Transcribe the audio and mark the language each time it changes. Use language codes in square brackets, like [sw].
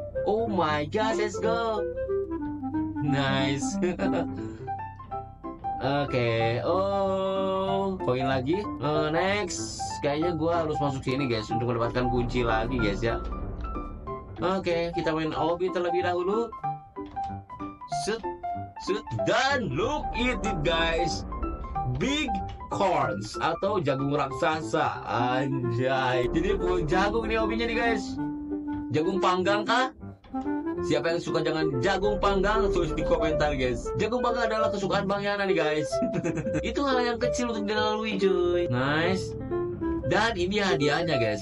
[en] Oh my god, let's go. Nice. [id] Oke. Okay. Oh, poin lagi. Next. Kayaknya gue harus masuk sini, guys, untuk mendapatkan kunci lagi, guys, ya. Oke, okay, kita main obi terlebih dahulu. [en] Shoot, shoot, dan look at it, guys. [id] Big corns atau jagung raksasa. Anjay. Jadi pun jagung ini obinya nih, guys. Jagung panggang kah? Siapa yang suka jangan jagung panggang, tulis di komentar, guys. Jagung panggang adalah kesukaan Bang Yana nih, guys. Itu hal yang kecil untuk dilalui, cuy. Nice. Dan ini hadiahnya, guys.